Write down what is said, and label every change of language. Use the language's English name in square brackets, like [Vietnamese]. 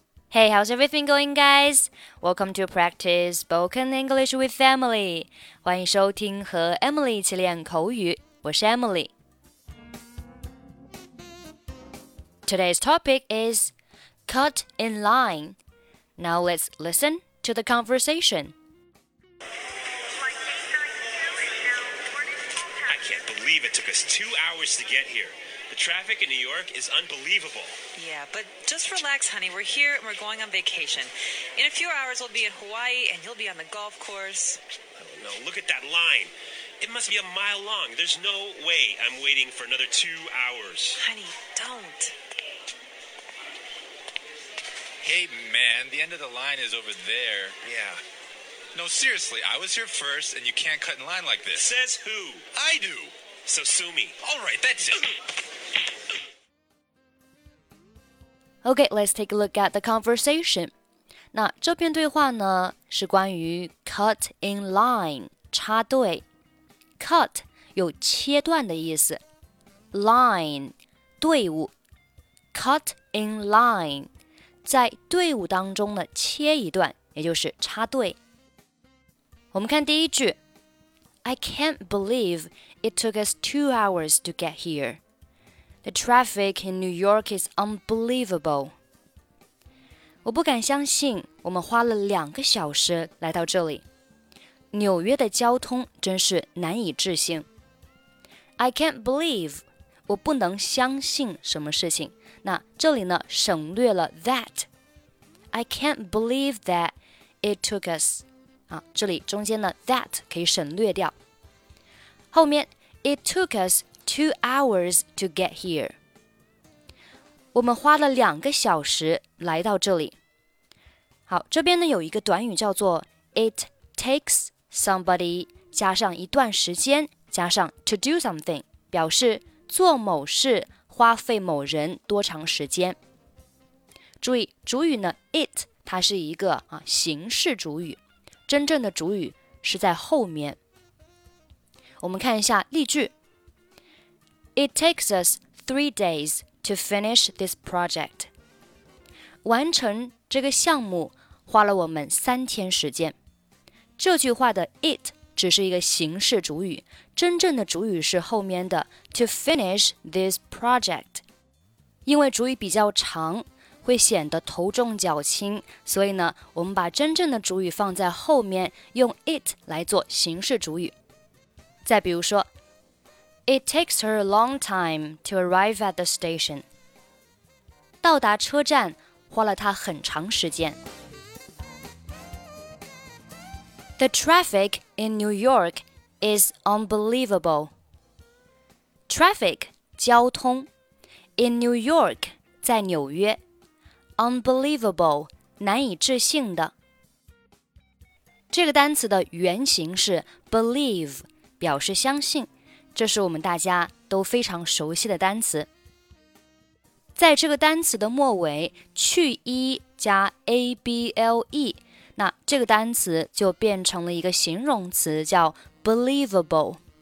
[English] Hey, how's everything going, guys? Welcome to practice spoken English with Emily. [Chinese] 欢迎收听和 Emily 一起练口语。我是 Emily. [English] Today's topic is cut in line. Now let's listen to the conversation. I can't believe it took us 2 hours to get here. The traffic in New York is unbelievable. Yeah, but just relax, honey. We're here and we're going on vacation. In a few hours, we'll be in Hawaii and you'll be on the golf course. I don't know. Look at that line. It must be a mile long. There's no way I'm waiting for another 2 hours. Honey, don't. Hey, man, the end of the line is over there. Yeah. No, seriously, I was here first and you can't cut in line like this. Says who? I do. So sue me. All right, that's it. Okay, let's take a look at the conversation. [Chinese] 那这篇对话呢是关于 [English] cut in line, [Chinese] 插队。 Cut 有切断的意思。Line, 队伍。 [English] Cut in line, [Chinese] 在队伍当中呢切一段也就是插队。我们看第一句。 [English] I can't believe it took us 2 hours to get here. The traffic in New York is unbelievable. [Chinese] 我不敢相信我们花了两个小时来到这里。纽约的交通真是难以置信。 [English] I can't believe, [Chinese] 我不能相信什么事情。那这里呢省略了 that. [English] I can't believe that it took us. [Chinese] 啊，这里中间的 that 可以省略掉。后面 [English] it took us,2 hours to get here. [Chinese] 我们花了两个小时来到这里。好，这边呢有一个短语叫做 [English] It takes somebody [Chinese] 加上一段时间加上 [English] to do something [Chinese] 表示做某事花费某人多长时间。注意主语呢 It 它是一个、啊、形式主语，真正的主语是在后面。我们看一下例句。 [English] It takes us 3 days to finish this project. [Chinese] 完成这个项目花了我们3天时间。这句话的 it 只是一个形式主语，真正的主语是后面的 [English] to finish this project. [Chinese] 因为主语比较长，会显得头重脚轻，所以呢，我们把真正的主语放在后面，用 it 来做形式主语。再比如说 [English] It takes her a long time to arrive at the station. [Chinese] 到达车站花了她很长时间。 [English] The traffic in New York is unbelievable. [Chinese] Traffic, 交通。 [English] In New York, [Chinese] 在纽约。 Unbelievable, 难以置信的。这个单词的原型是 believe, 表示相信。这是我们大家都非常熟悉的单词。在这个单词的末尾，去 e 加 able, 那这个单词就变成了一个形容词叫 believable。